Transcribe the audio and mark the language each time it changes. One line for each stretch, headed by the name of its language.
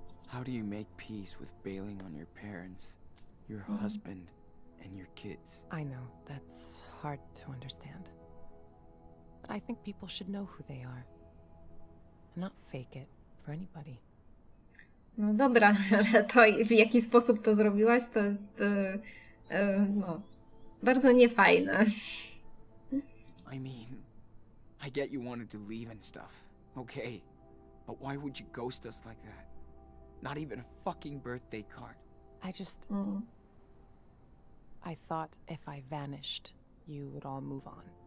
English: How do you make peace with bailing on your parents, your husband, and your kids? I know, that's hard to understand. But I think people should know who they are. And not fake it for anybody.
Polish: No dobra, ale to w jaki sposób to zrobiłaś, to jest no, bardzo niefajne.
English: I mean, I get you wanted to leave and stuff, okay? But why would you ghost us like that? Not even a fucking birthday card. I just... I thought if I vanished, you would all move on.